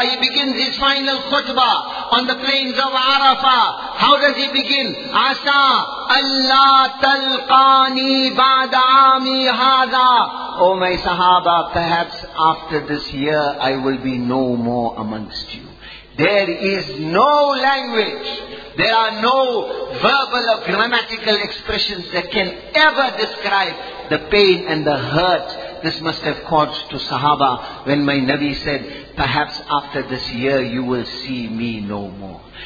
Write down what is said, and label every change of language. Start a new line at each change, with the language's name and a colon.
English: He begins his final khutbah on the plains of Arafah. How does he begin?
Arabic: عسى ألا تلقاني بعد عامي هذا.
English: Oh my Sahaba, perhaps after this year I will be no more amongst you. There is no language, there are no verbal or grammatical expressions that can ever describe the pain and the hurt this must have caused to Sahaba when my Nabi said, perhaps after this year you will see me no more.